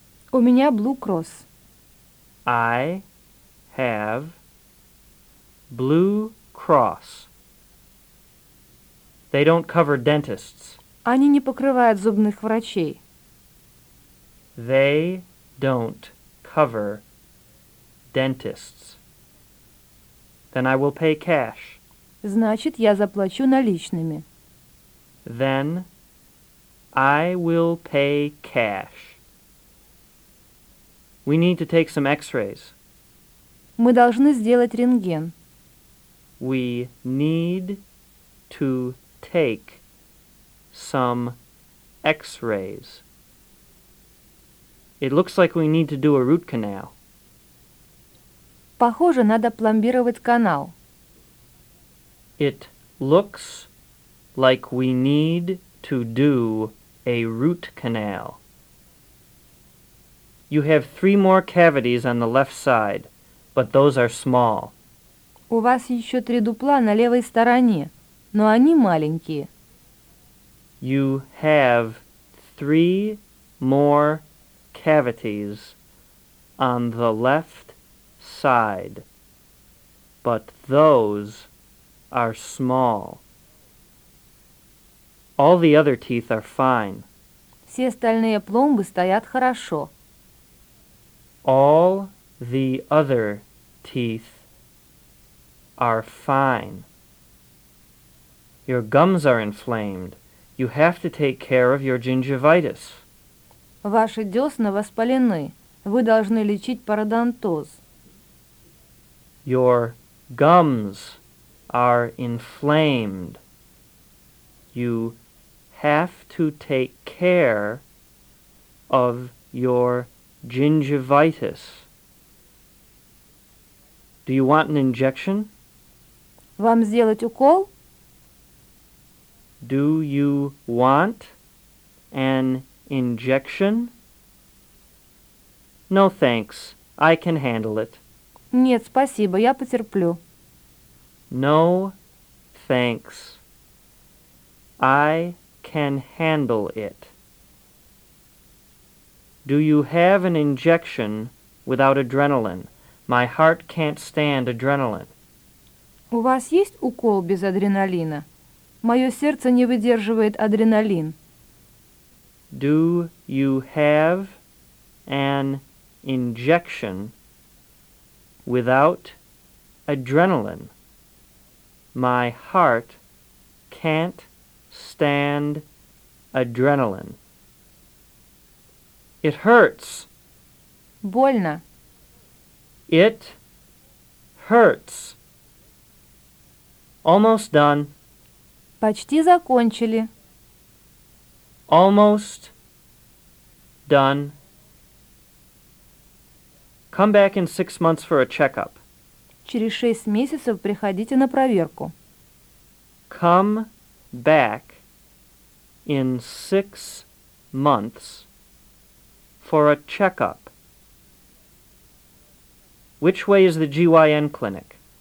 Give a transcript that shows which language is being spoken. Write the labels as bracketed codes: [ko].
[ru] У меня Blue Cross. [en] I have Blue Cross. They don't cover dentists. [ru] Они не покрывают зубных врачей. [en] They don't cover dentists. Then I will pay cash. [ru] Значит, я заплачу наличными. [en] Then I will pay cash. We need to take some x-rays. [ru] Мы должны сделать рентген. [en] We need to take some x-rays. It looks like we need to do a root canal. [ru] Похоже, надо пломбировать канал. [en] It looks like we need to do a root canal. You have three more cavities on the left side, but those are small. [ru] У вас еще три дупла на левой стороне, но они маленькие. [en] You have three more cavities on the left side, but those are small. All the other teeth are fine. [ru] Все остальные пломбы стоят хорошо. [en] All the other teeth are fine. Your gums are inflamed. You have to take care of your gingivitis. [ru] Ваши десны воспалены. Вы должны лечить пародонтоз. [en] Your gums are inflamed. You have to take care of your gingivitis. Do you want an injection? [ru] Вам сделать укол? [en] Do you want an injection? No, thanks. I can handle it. [ru] Нет, спасибо, я потерплю. [en] No, thanks. I can handle it. Do you have an injection without adrenaline? My heart can't stand adrenaline. [ru] У вас есть укол без адреналина? Мое сердце не выдерживает адреналин. [en] Do you have an injection without adrenaline? My heart can't stand adrenaline. It hurts. [ru] Больно. [en] It hurts. Almost done. [ru] Почти закончили. [en] Almost done. Come back in 6 months for a checkup. [ru] Через 6 месяцев приходите на проверку. [en] Come back in 6 months for a checkup. Which way is the GYN clinic?